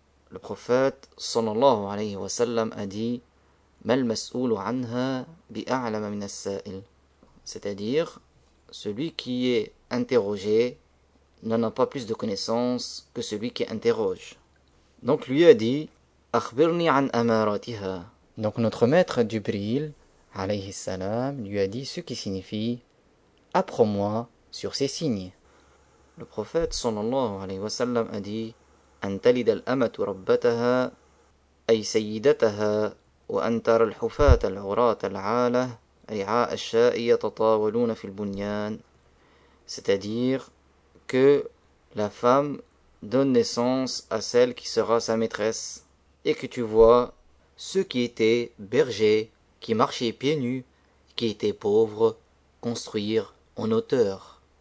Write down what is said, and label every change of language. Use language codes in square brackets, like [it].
[fr] Le prophète, sallallahu alayhi wa sallam, a dit c'est-à-dire, celui qui est interrogé n'en a pas plus de connaissances que celui qui interroge. Donc lui a dit, [ar] أخبرني عن أماراتها. [fr] Donc notre maître Jibril, alayhi salam, lui a dit ce qui signifie, apprends-moi sur ces signes. Le prophète sallallahu alayhi wa sallam a dit, [ar] أن تلد الأمة ربتها أي سيدتها وأن ترى الحفاة العراة العالة رعاء الشاء يتطاولون في البنيان. [fr] C'est-à-dire que la femme donne naissance à celle qui sera sa maîtresse, et que tu vois ceux qui étaient bergers, qui marchaient pieds nus, qui étaient pauvres, construire en hauteur.